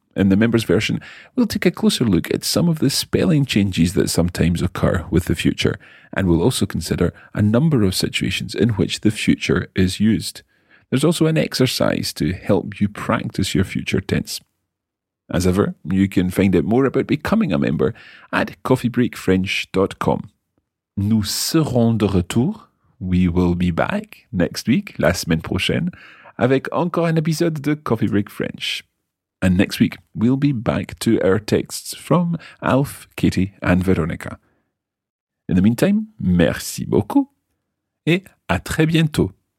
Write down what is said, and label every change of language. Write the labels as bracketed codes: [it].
[en] In the members' version, we'll take a closer look at some of the spelling changes that sometimes occur with the future, and we'll also consider a number of situations in which the future is used. There's also an exercise to help you practice your future tense. As ever, you can find out more about becoming a member at coffeebreakfrench.com. [fr] Nous serons de retour. [en] We will be back next week, [fr] la semaine prochaine, avec encore un épisode de Coffee Break French. [en] And next week, we'll be back to our texts from Alf, Katie and Veronica. In the meantime, [fr] merci beaucoup et à très bientôt.